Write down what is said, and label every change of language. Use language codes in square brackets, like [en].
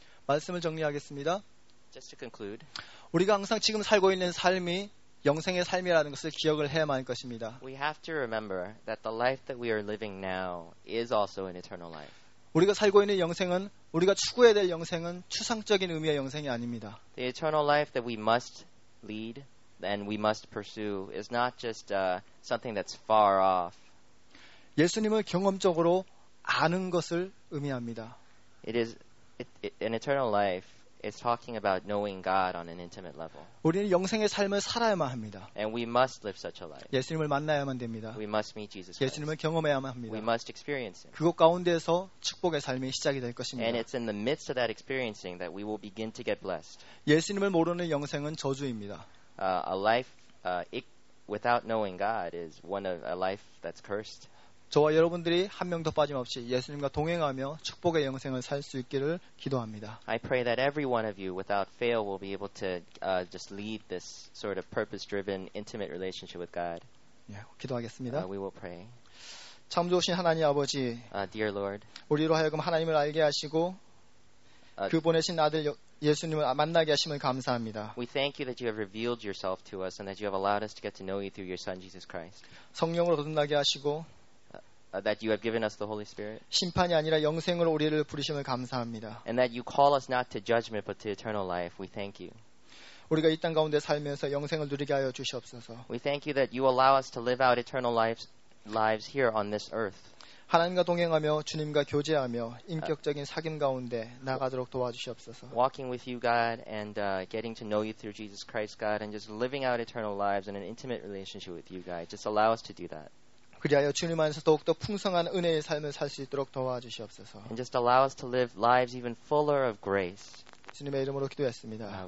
[ko] 말씀을 정리하겠습니다. [en] Just to conclude, [ko] 우리가 항상 지금 살고 있는 삶이 영생의 삶이라는 것을 기억을 해야만 할 것입니다. [en] We have to remember that the life that we are living now is also an eternal life. [ko] 우리가 살고 있는 영생은 우리가 추구해야 될 영생은 추상적인 의미의 영생이 아닙니다. [en] The eternal life that we must lead and we must pursue is not just something that's far off. [ko] 예수님을 경험적으로 아는 것을 의미합니다. [en] An eternal life is talking about knowing God on an intimate level. [ko] 우리는 영생의 삶을 살아야만 합니다. [en] And we must live such a life. [ko] 예수님을 만나야만 됩니다. [en] We must meet Jesus Christ. [ko] 예수님을 경험해야만 합니다. [en] We must experience Him. [ko] 그곳 가운데서 축복의 삶이 시작이 될 것입니다. [en] And it's in the midst of that experiencing that we will begin to get blessed. [ko] 예수님을 모르는 영생은 저주입니다. [en] A life without knowing God is one of a life that's cursed. [ko] 저와 여러분들이 한 명도 빠짐없이 예수님과 동행하며 축복의 영생을 살 수 있기를 기도합니다. [en] I pray that every one of you without fail will be able to just lead this sort of purpose-driven intimate relationship with God. [ko] 예, 기도하겠습니다. [en] We will pray. [ko] 참 좋으신 하나님 아버지, [en] Dear Lord, [ko] 우리로 하여금 하나님을 알게 하시고 그 보내신 아들 예수님을 만나게 하심을 감사합니다. [en] We thank you that you have revealed yourself to us and that you have allowed us to get to know you through your son Jesus Christ. [ko] 성령으로 거듭나게 하시고 [en] That you have given us the Holy Spirit. [ko] 심판이 아니라 영생으로 우리를 부르심을 감사합니다. [en] And that you call us not to judgment but to eternal life. We thank you. [ko] 우리가 이 땅 가운데 살면서 영생을 누리게 하여 주시옵소서. [en] We thank you that you allow us to live out eternal lives here on this earth. [ko] 하나님과 동행하며 주님과 교제하며 인격적인 사귐 가운데 나가도록 도와주시옵소서. [en] Walking with you, God, and getting to know you through Jesus Christ, God, and just living out eternal lives in an intimate relationship with you, God. Just allow us to do that. [ko] 그리하여 주님 안에서 더욱더 풍성한 은혜의 삶을 살 수 있도록 도와주시옵소서. [en] And just allow us to live lives even fuller of grace. [ko] 주님의 이름으로 기도했습니다.